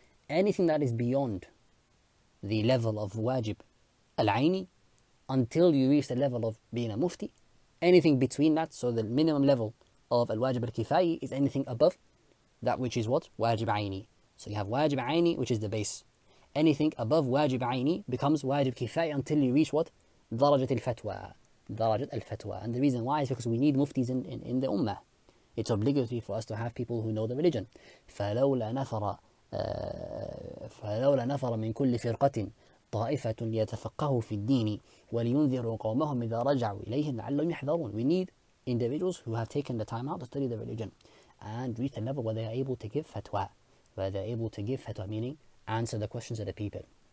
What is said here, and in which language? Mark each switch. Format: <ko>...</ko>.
<en>Anything that is beyond the level of wajib al-ayni, until you reach the level of being a mufti, anything between that, so the minimum level of al-wajib al-kifai is anything above that which is what? Wajib ayni. So you have wajib ayni, which is the base. Anything above wajib ayni becomes wajib kifai until you reach what? Darajat al-fatwa. Darajat al-fatwa. And the reason why is because we need muftis in the ummah. It's obligatory for us to have people who know the religion.</en> <ar>فلولا نفر من كل فرقة طائفة ليتفقهوا في الدين ولينذروا قومهم إذا رجعوا إليهم لعلهم يحذرون.</ar> <en>We need individuals who have taken the time out to study the religion and reach the level where they are able to give fatwa. Where they are able to give fatwa, meaning answer the questions of the people.</en>